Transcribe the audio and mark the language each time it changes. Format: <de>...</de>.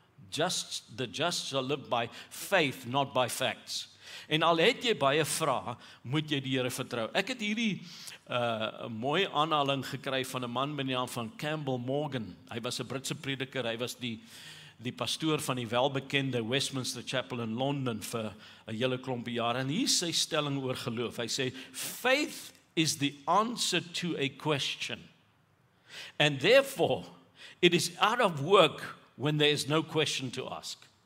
<en>The just shall live by faith, not by facts.</en> <af>En al het jy baie vrae, moet jy die Here vertrou. Ek het hierdie mooi aanhaling gekry van 'n man met die naam van Campbell Morgan. Hy was 'n Britse prediker, hy was die pastoor van die welbekende Westminster Chapel in Londen vir 'n hele klompie jare. En hier is sy stelling oor geloof. Hy sê,</af> <en>faith is the answer to a question. And therefore, it is out of work when there is no question to ask.</en>